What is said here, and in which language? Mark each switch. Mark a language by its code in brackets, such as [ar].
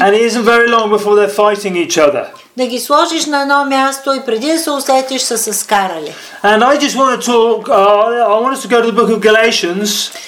[en] And it isn't very long before they're fighting each other. [bg] Да ги сложиш на едно място и преди да се усетиш са се скарали. [en] And I just want to talk, I want us to go to the book of Galatians.